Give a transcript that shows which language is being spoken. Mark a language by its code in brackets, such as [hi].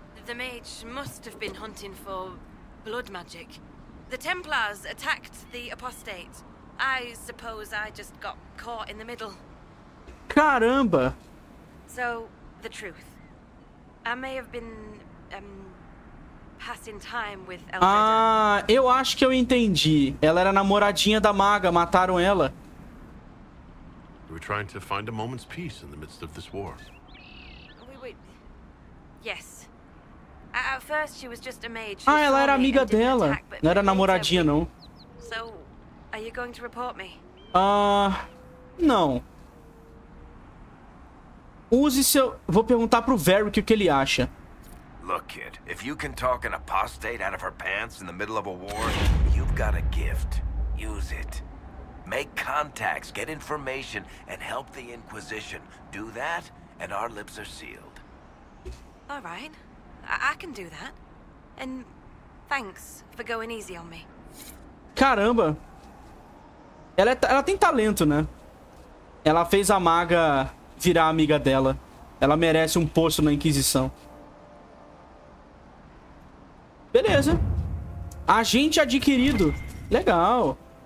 [en] The mage must have been hunting for blood magic. The Templars attacked the apostate. I suppose I just got caught in the middle. [pt] Caramba. [en] So, the truth. I may have been passing time with Elfreda. [pt] Ah, eu acho que eu entendi. Ela era namoradinha da maga, mataram ela. [en] We're trying to find a moment's peace in the midst of this war. Yes. At first she was just a mage. [pt] Ah, ela era amiga dela. Não era namoradinha, não. [en] So, are you going to report me? [pt] Não. Use seu... Vou perguntar pro Varric o que ele acha. [en] Look, kid. If you can talk an apostate out of her pants in the middle of a war, you've got a gift. Use it. Make contacts, get information, and help the Inquisition. Do that, and our lips are sealed. All right. I can do that. And thanks for going easy on me. [pt] Caramba. Ela tem talento, né? Ela fez a maga virar amiga dela. Ela merece um posto na Inquisição. Beleza. Agente adquirido. Legal.